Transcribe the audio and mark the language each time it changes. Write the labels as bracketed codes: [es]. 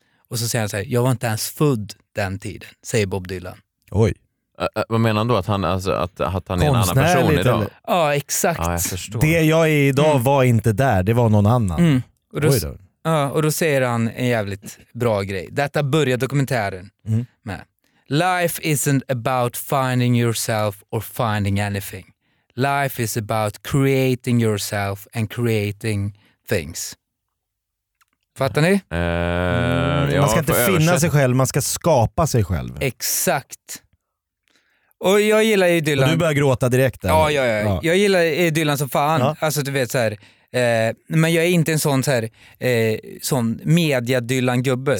[sv] Och så säger han så här, jag var inte ens född den tiden, säger Bob Dylan. Oj. Vad menar han då? Att han är en annan person idag? Eller? Ja, exakt. Ja, jag förstår. Det jag är idag var inte där, det var någon annan. Mm. Och då. Ja, och då säger han en jävligt bra grej. Detta börjar dokumentären med. [en] Life isn't about finding yourself or finding anything. Life is about creating yourself and creating things. [sv] Fattar ni? Man ska inte finna sig själv, man ska skapa sig själv. Exakt. Och jag gillar ju Dylan. Och du börjar gråta direkt. Ja. Jag gillar Dylan som fan. Ja. Alltså du vet så här. Men jag är inte en sån så här sån media-Dylan-gubbe.